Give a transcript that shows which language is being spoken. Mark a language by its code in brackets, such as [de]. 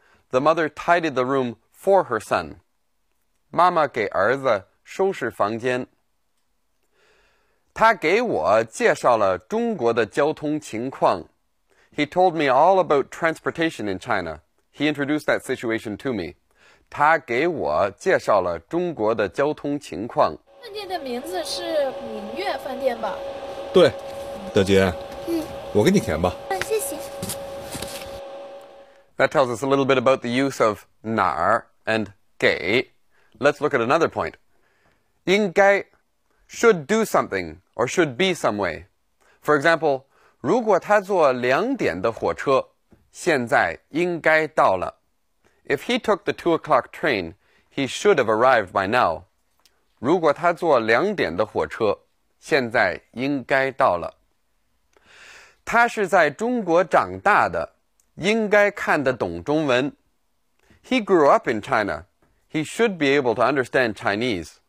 [en] The mother tidied the room for her son. [zh] 妈妈给儿子收拾房间。他给我介绍了中国的交通情况。 [en] He told me all about transportation in China. He introduced that situation to me. [zh] 他给我介绍了中国的交通情况。饭店的名字是明月饭店吧？对，德杰。嗯。我给你钱吧。嗯，谢谢。 [en] That tells us a little bit about the use of 哪儿 and 给。Let's look at another point. 应该 should do something or should be some way. For example, [zh] 如果他坐两点的火车,现在应该到了。 [en] If he took the 2 o'clock train, he should have arrived by now. [zh] 如果他坐两点的火车,现在应该到了。他是在中国长大的,应该看得懂中文。 [en] He grew up in China. He should be able to understand Chinese.